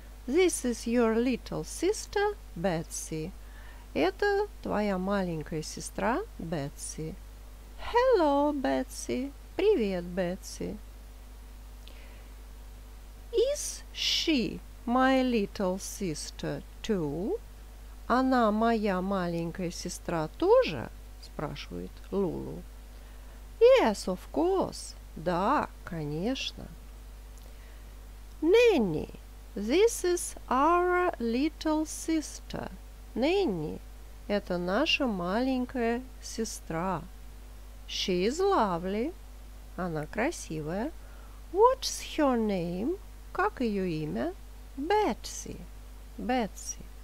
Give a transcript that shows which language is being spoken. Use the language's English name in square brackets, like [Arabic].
[English] This is your little sister, Betsy. [Russian] Это твоя маленькая сестра, Betsy. [English] Hello, Betsy. [Russian] Привет, Betsy. [English] Is she my little sister too? [Russian] Она моя маленькая сестра тоже? Спрашивает Лулу. [English] Yes, of course. [Russian] Да, конечно. [English] Nanny, this is our little sister. [Russian] Nanny, это наша маленькая сестра. [English] She is lovely. [Russian] Она красивая. [English] What's her name? [Russian] Как ее имя? [English] Betsy. Betsy.